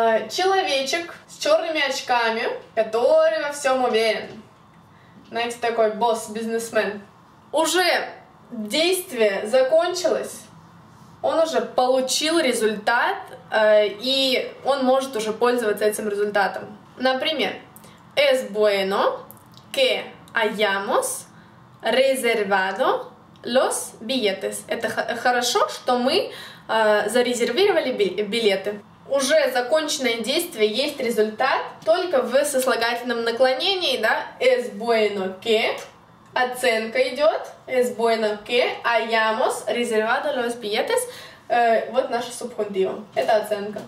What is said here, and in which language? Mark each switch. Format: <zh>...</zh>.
<ru>человечек с черными очками, который во всем уверен. Знаете, такой босс, бизнесмен. Уже действие закончилось, он уже получил результат, и он может уже пользоваться этим результатом. Например,</ru> <es>es bueno que hayamos reservado los billetes.</es> <ru>Это хорошо, что мы зарезервировали билеты. Уже законченное действие, есть результат, только в сослагательном наклонении, да,</ru> <es>es bueno que,</es> <ru>оценка идет,</ru> <es>es bueno que hayamos reservado los billetes,</es> <ru>вот наше субхунтиво, это оценка.</ru>